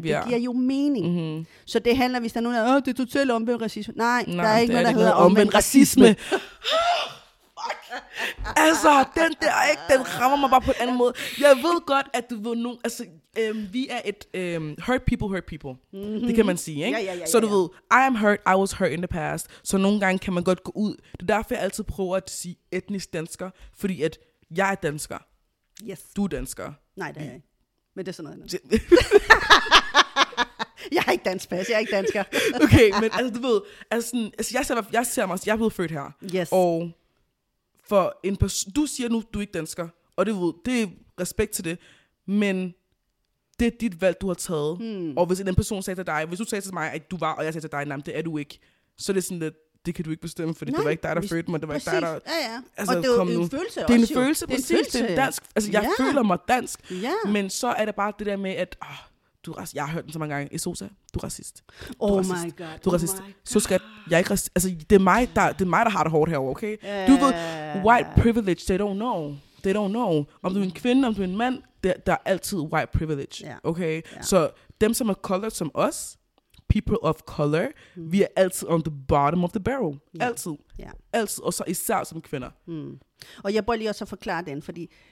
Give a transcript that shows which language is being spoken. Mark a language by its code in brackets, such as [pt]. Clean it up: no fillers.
[da] Det giver jo mening. Så det handler, hvis der er nogen, der er, det er totalt omvendt racisme. Nej, der er ikke noget, der hedder omvendt racisme. Fuck! Altså, den der, ikke, den rammer mig bare på en anden måde. Jeg ved godt, at du ved nogen... Altså, vi er et [en] hurt people, hurt people. [da] Det kan man sige, ikke? Ja. Så du ved, [en] I am hurt, I was hurt in the past. [da] Så nogle gange kan man godt gå ud. Det er derfor, jeg altid prøver at sige etnisk dansker, fordi at jeg er dansker. Yes. Du er dansker. Nej, det er jeg ikke. Men det er sådan noget andet. Jeg er ikke dansk pas, jeg er ikke dansker. Okay, men altså, du ved, altså jeg ser mig, jeg er blevet født her. Yes. Og for en person, du siger nu, du er ikke dansker, og det, ved, det er respekt til det, men det er dit valg, du har taget. Hmm. Og hvis en person sagde til dig, hvis du sagde til mig, at du var, og jeg sagde til dig, nej, det er du ikke, så er det sådan, at det kan du ikke bestemme, fordi nej, det var ikke dig, der fødte mig, det var præcis. Ikke dig, der... Ja, ja. Altså, og det er en følelse også. Det er en følelse, præcis. Det er en dansk, altså, jeg føler mig dansk, men så er det bare det der med, at... Du er jeg har hørt den så mange gange. Esosa, du er racist. Du er racist. Så skal jeg ikke racist. Altså, det er mig, der har det hårdt herovre, okay? Du ved, [en] white privilege, they don't know. [da] Om du er en kvinde, om du er en mand, der er altid white privilege, okay? Så dem, som er [en] colored [da] som os, [en] people of color, [da] vi er altid [en] on the bottom of the barrel. [da] Altid. Altid, og så især som kvinder. Og jeg bør lige også forklare den, fordi...